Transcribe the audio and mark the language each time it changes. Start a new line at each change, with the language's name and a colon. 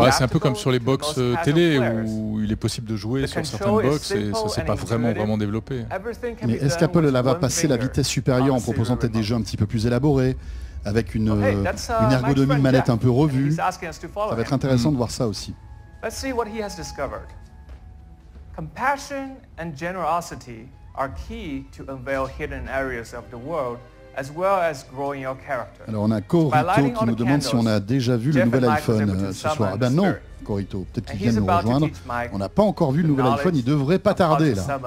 French: Bah, c'est un peu comme sur les box télé, où il est possible de jouer sur certaines box, et ça ne s'est pas vraiment, vraiment développé. Mais est-ce qu'Apple va passer la vitesse supérieure en proposant peut-être des jeux un petit peu plus élaborés avec une ergonomie de manette un peu revue. Ça va être intéressant de voir ça aussi.
English: Let's see what he has discovered. Compassion and generosity are key to unveil hidden areas of the world as well as growing your character.
French: Alors on a Corito qui nous demande si on a déjà vu le nouvel iPhone ce soir. Ben non, Corito, peut-être qu'il vient nous rejoindre. On n'a pas encore vu le nouvel iPhone, il devrait pas tarder là.